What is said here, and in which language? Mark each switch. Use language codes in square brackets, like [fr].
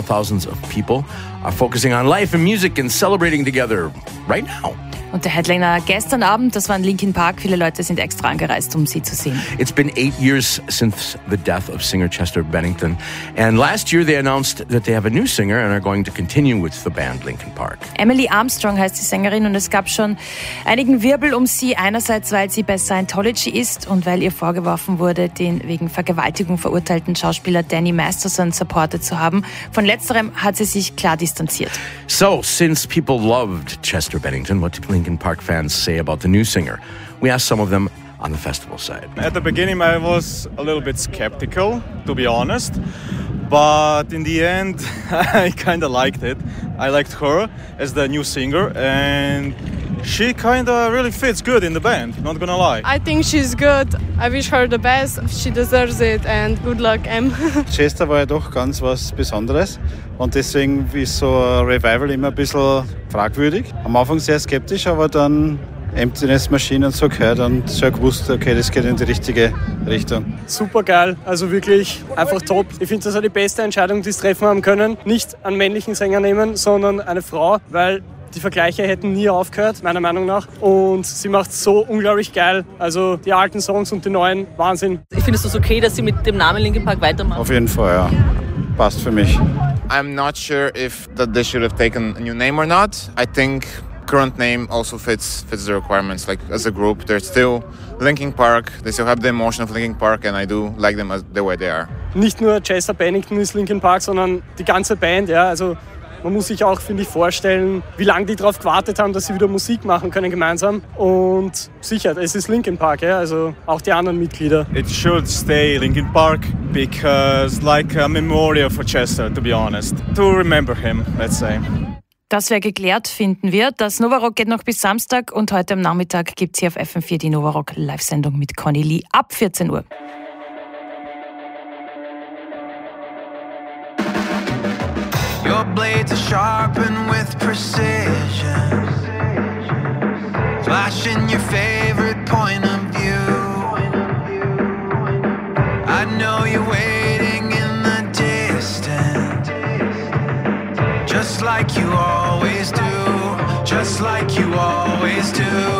[en] Thousands of people are focusing on life and music and celebrating together right now. [de] Und der Headliner gestern Abend, das war in Linkin Park. Viele Leute sind extra angereist, um sie zu sehen. [en] It's been 8 years since the death of singer Chester Bennington. And last year they announced that they have a new singer and are going to continue with the band Linkin Park. [de] Emily Armstrong heißt die Sängerin und es gab schon einigen Wirbel um sie. Einerseits, weil sie bei Scientology ist und weil ihr vorgeworfen wurde, den wegen Vergewaltigung verurteilten Schauspieler Danny Masterson supportet zu haben. Von letzterem hat sie sich klar distanziert. [en] So, since people loved Chester Bennington, what did Linkin Park fans say about the new singer? We asked some of them on the festival side. At the beginning, I was a little bit skeptical, to be honest. But in the end, I kind of liked it. I liked her as the new singer, and she kind of really fits good in the band, not gonna lie. I think she's good. I wish her the best. She deserves it, and good luck, Em. [de] Chester war ja doch ganz was Besonderes. Und deswegen ist so ein Revival immer ein bisschen fragwürdig. Am Anfang sehr skeptisch, aber dann Emptiness Machine und so gehört und schon gewusst, okay, das geht in die richtige Richtung. Super geil, also wirklich einfach top. Ich finde, das war die beste Entscheidung, die sie treffen haben können. Nicht einen männlichen Sänger nehmen, sondern eine Frau, weil die Vergleiche hätten nie aufgehört, meiner Meinung nach. Und sie macht es so unglaublich geil. Also die alten Songs und die neuen, Wahnsinn. Ich finde es okay, dass sie mit dem Namen Linkin Park weitermachen. Auf jeden Fall, ja. Passt für mich. [en] I'm not sure if that they should have taken a new name or not. I think current name also fits the requirements. Like, as a group, they're still Linkin Park. They still have the emotion of Linkin Park, and I do like them as the way they are. [de] Nicht nur Chester Bennington ist Linkin Park, sondern die ganze Band, ja. Also man muss sich auch, finde ich, vorstellen, wie lange die darauf gewartet haben, dass sie wieder Musik machen können gemeinsam. Und sicher, es ist Linkin Park, ja, also auch die anderen Mitglieder. [en] It should stay Linkin Park, because like a memorial for Chester, to be honest. To remember him, let's say. [de] Das wäre geklärt, finden wir. Das Nova Rock geht noch bis Samstag und heute am Nachmittag gibt es hier auf FM4 die Nova Rock Live-Sendung mit Conny Lee ab 14 Uhr. [en] Your blades are sharpened with precision, flashing your favorite point of view. I know you're waiting in the distance, just like you always do, just like you always do.